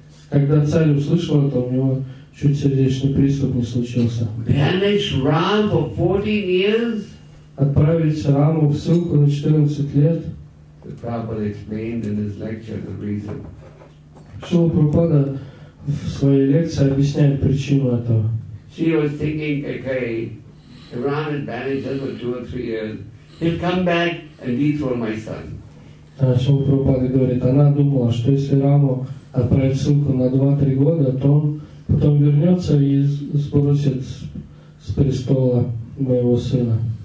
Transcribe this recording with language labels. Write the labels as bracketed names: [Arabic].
[Russian] Когда царь услышал это, у него чуть сердечный приступ не случился. [English] Banish Ram for 14 years? [Russian] Отправить Раму в ссылку на 14 лет? [English] The Prabhupada explained in his lecture the reason. [Russian] Шрила Прабхупада в своей лекции объясняет причину этого. [English] She was thinking, okay, Ram had banished us for 2 or 3 years. He'll come back and dethrone my son. [Russian] Шрила Прабхупада говорит, она думала, что если Раму отправить ссылку на 2-3 года, то он потом вернется и сбросит с престола моего сына.